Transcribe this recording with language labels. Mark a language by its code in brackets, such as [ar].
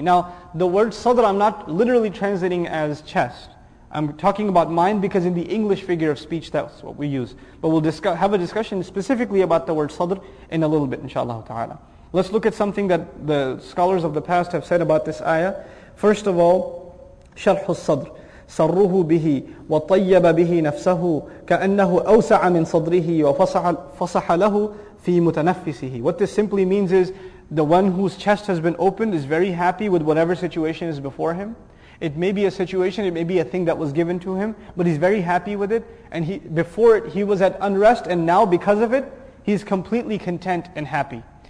[en] Now, the word صدر, I'm not literally translating as chest. I'm talking about mind because in the English figure of speech, that's what we use. But we'll have a discussion specifically about the word sadr in a little bit, inshallah ta'ala. Let's look at something that the scholars of the past have said about this ayah. First of all, [ar] شرح الصدر سره به وطيب به نفسه كأنه أوسع من صدره وفصح له في متنفسه. [en] What this simply means is the one whose chest has been opened is very happy with whatever situation is before him. It may be a situation, it may be a thing that was given to him, but he's very happy with it. And before it, he was at unrest, and now because of it, he's completely content and happy.